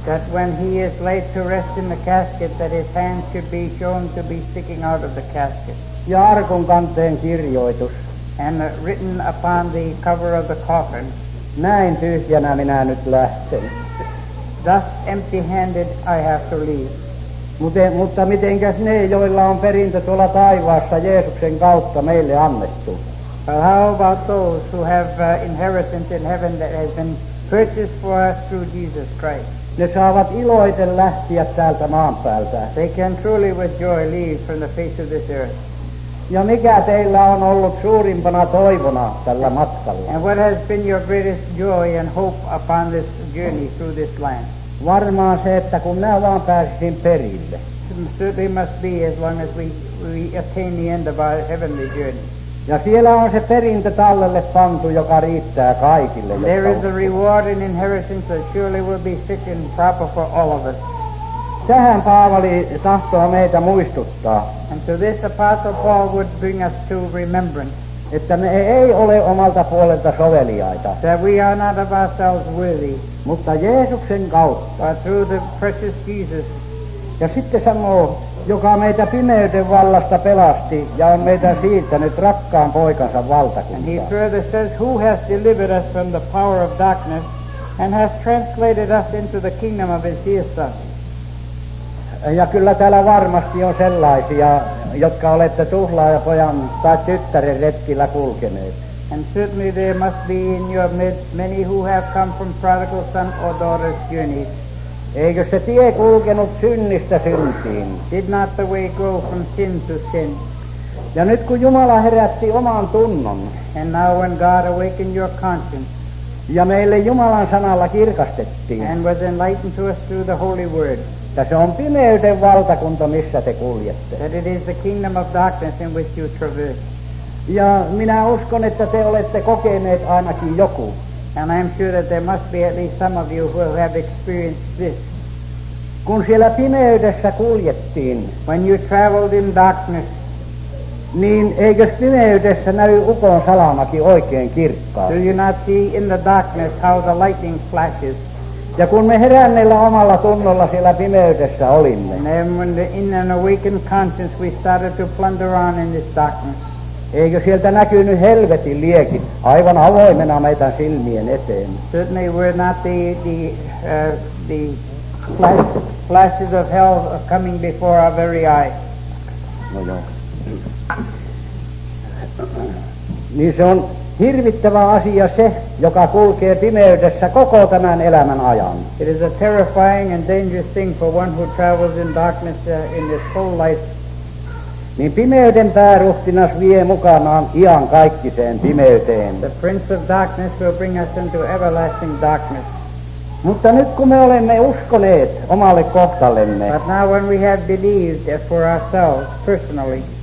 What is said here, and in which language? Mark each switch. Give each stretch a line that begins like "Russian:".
English: That when he is laid to rest in the casket, that his hands should be shown to be sticking out of the casket.
Finnish: Ja arkun kanteen kirjoitus.
English: And written upon the cover of the coffin.
Finnish: Näin tyhjänä minä nyt lähten.
English: Thus empty-handed I have to leave.
Finnish: Mutta mitenkäs ne, joilla on perintö tuolla taivaassa Jeesuksen kautta meille annettu?
English: But how about those who have inheritance in heaven that has been purchased for us through Jesus Christ?
Finnish: Ne saavat iloiten lähtiä täältä maan päältä.
English: They can truly with joy leave from the face of this earth.
Finnish: Ja mikä teillä on ollut suurimpana toivona tällä matkalla?
English: And what has been your greatest joy and hope upon this journey through this land?
Finnish: Varmaan se, että kun minä vaan pääsisin perille.
English: Certainly must be as long as we attain the end of our heavenly journey.
Finnish: Ja siellä on se perintö tallelle pantu, joka riittää kaikille.
English: There is a reward in inheritance that surely will be fit and proper for all of us.
Finnish: Tähän Paavali tahtoo meitä muistuttaa.
English: And to this Apostle Paul would bring us to remembrance.
Finnish: Että me ei ole omalta puolelta soveliaita.
English: That we are not of ourselves worthy.
Finnish: Mutta Jeesuksen kautta.
English: But through the precious Jesus.
Finnish: Ja sitten sanoo, joka meitä pimeyden vallasta pelasti ja on meitä siirtänyt rakkaan poikansa valtakuntaan.
English: And he further says, who has delivered us from the power of darkness and has translated us into the kingdom of his dear Son.
Finnish: Ja kyllä täällä varmasti on sellaisia, jotka olette tuhlaajapojan tai tyttären retkillä kulkeneet.
English: And certainly there must be in your midst many who have come from prodigal son or daughter's journey.
Finnish: Eikö se tie kulkenut synnistä syntiin?
English: Did not the way go from sin to sin?
Finnish: Ja nyt kun Jumala herätti oman tunnon.
English: And now when God awakened your conscience.
Finnish: Ja meille Jumalan sanalla kirkastettiin.
English: And was enlightened to us through the Holy Word.
Finnish: Tässä se on pimeyden valtakunta, missä te kuljette.
English: That it is the kingdom of darkness in which you traverse.
Finnish: Ja minä uskon, että te olette kokeneet ainakin joku.
English: And I am sure that there must be at least some of you who have experienced this.
Finnish: Kun siellä pimeydessä kuljettiin.
English: When you traveled in darkness.
Finnish: Niin eikös pimeydessä näy ukon salamakin oikein kirkkaasti?
English: Do you not see in the darkness how the lightning flashes?
Finnish: Ja kun me heränneellä omalla tunnolla siellä pimeydessä olimme.
English: And then when in an awakened conscience we started to plunder on in this darkness.
Finnish: Eikö sieltä näkynyt helvetin liekit aivan avoimena meitä silmien eteen?
English: Certainly were not the flashes of hell coming before our very eyes.
Finnish: No joo. Niin se on hirvittävä asia se, joka kulkee pimeydessä koko tämän elämän ajan.
English: It is a terrifying and dangerous thing for one who travels in darkness in his whole life.
Finnish: Niin pimeyden pääruhtinas vie mukanaan ian kaikkiseen pimeyteen.
English: The prince of darkness will bring us into everlasting darkness.
Finnish: Mutta nyt kun me olemme uskoneet omalle kohtallemme.
English: But now when we have believed for ourselves personally.